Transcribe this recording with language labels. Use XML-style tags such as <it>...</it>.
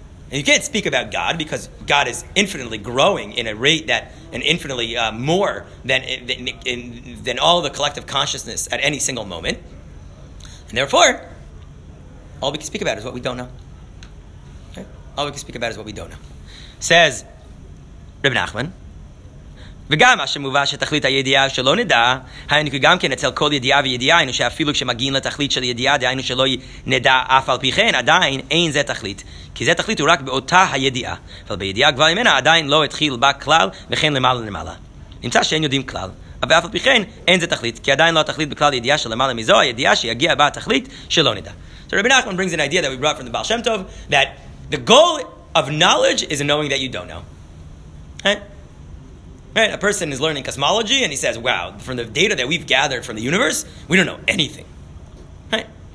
<en>And you can't speak about God because God is infinitely growing in a rate that, and infinitely more than all of the collective consciousness at any single moment. And therefore, all we can speak about is what we don't know. Okay? All we can speak about is what we don't know. Says Reb Nachman,</en> <he>וגם אשר מובא שתכלית הידיעה שלא נדע, היינו כי גם כן אצל כל ידיעה וידיעה, היינו שאפילו כשמגיעים לתכלית של ידיעה, דהיינו שלא נדע אף על פי כן, עדיין אין זה תכלית, כי זה תכלית הוא רק באותה הידיעה, אבל בידיעה כבר ממנה עדיין לא התחיל בה כלל, וכן למעלה למעלה. נמצא שאין יודעים כלל. אבל אף על פי כן, אין זה תכלית, כי עדיין לא התכלית בכלל ידיעה של למעלה מזו, הידיעה שיגיע בה התכלית שלא נדע.</he> <en>So Rabbi Nachman brings an idea that we brought from the Baal Shem Tov, that the goal of knowledge is knowing that you don't know. Right? Right? A person is learning cosmology and he says, wow, from the data that we've gathered from the universe, we don't know anything. Right?</en>